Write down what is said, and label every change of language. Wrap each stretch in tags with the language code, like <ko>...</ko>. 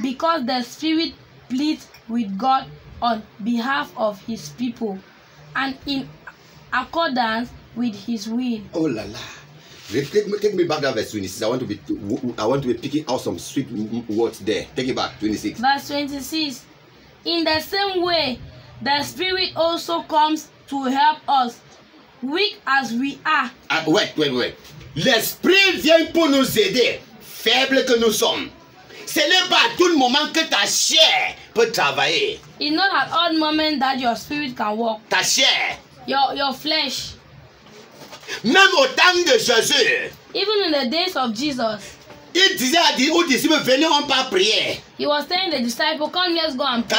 <en>Because the Spirit pleads with God on behalf of his people and in accordance with his will. Oh la la. Take me back to verse 26. I want to be picking out some sweet words there. Take it back. 26. Verse 26. In the same way, the Spirit also comes to help us. Weak as we are. Wait.</en> <fr>L'esprit vient pour nous aider, faible que nous sommes. Ce n'est pas à tout moment que ta chair peut travailler.</fr> <en>It's not at all moment that your spirit can walk.</en> <fr>Ta chair.</fr> <en>Your flesh.</en> <fr>Même au temps de Jésus.</fr> <en>Even in the days of Jesus.</en> <fr>Il disait aux disciples, venez on part prier.</fr> <en>He was telling the disciples, come let's go and pray.</en>